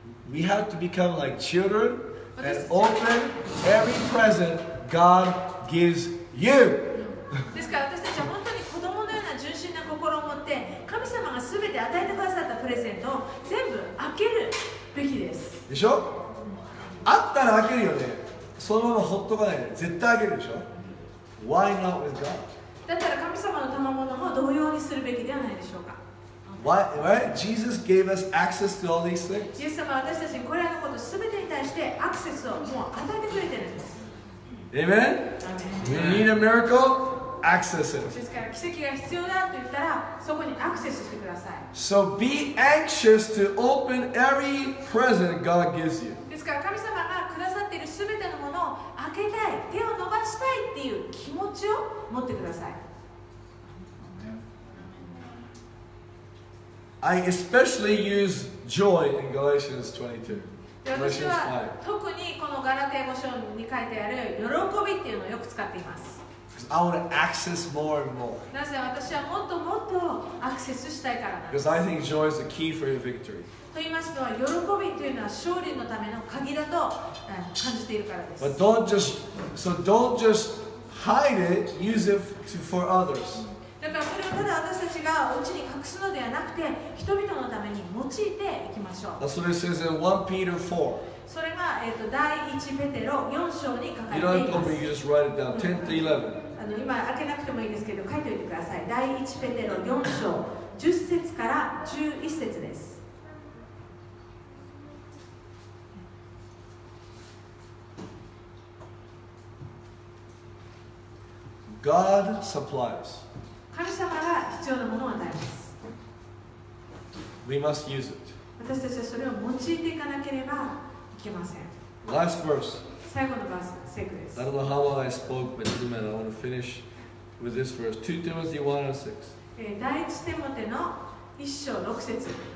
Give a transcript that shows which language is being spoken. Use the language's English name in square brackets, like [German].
[English] We have to become like children and open every present God gives you. [Japanese] ですから私たちは本当に子供のような純真な心を持って、神様がすべて与えてくださったプレゼントを全部開けるべきです。でしょ、あったら開けるよね。そのままほっとかないで絶対開けるでしょ。 [English] Why not with God? [Japanese] だったら神様の賜物も同様にするべきではないでしょうか。 [English] Why? Right? Jesus gave us access to all these things. [Japanese] イエス様は私たちにこれらのことすべてに対してアクセスをもう与えてくれてるんです。 [English] Amen? Amen. You need a miracle? Access it. [Japanese] ですから奇跡が必要だと言ったらそこにアクセスしてください。 [English] So be anxious to open every present God gives you. [Japanese] ですから神様がくださっているすべてのものを開けたい、手を伸ばしたいっていう気持ちを持ってください。 [English] I especially use joy in Galatians 22. [Japanese] 私は特にこのガラテヤ書に書いてある喜びっていうのをよく使っています。 [English] I want to access more and more. [Japanese] なぜ私はもっともっとアクセスしたいからなんです。 [English] Because I think joy is the key for your victory. [Japanese] と言いますのは、喜びというのは勝利のための鍵だと感じているからです。 [English] But don't just hide it, use it for others. [Japanese] だからそれをただ私たちがお家に隠すのではなくて、人々のために用いていきましょう。 [English] That's what it says in 1 Peter 4. [Japanese] それが、第1ペテロ4章に書かれています。 [English] You just write it down. 10 to 11. [Japanese] 今開けなくてもいいですけど、書いておいてください。第1ペテロ4章10節から11節です。 [English] God supplies. [Japanese] 神様が必要なものを与えます。 [English] We must use it. [Japanese] 私たちはそれを用いていかなければ。 [English] Last verse. [Japanese] 最後のバース、セクです。 [English] I don't know how long I spoke, but I want to finish with this verse. 2 Timothy 1 and 6. [Japanese] 第一テモテの一章六節。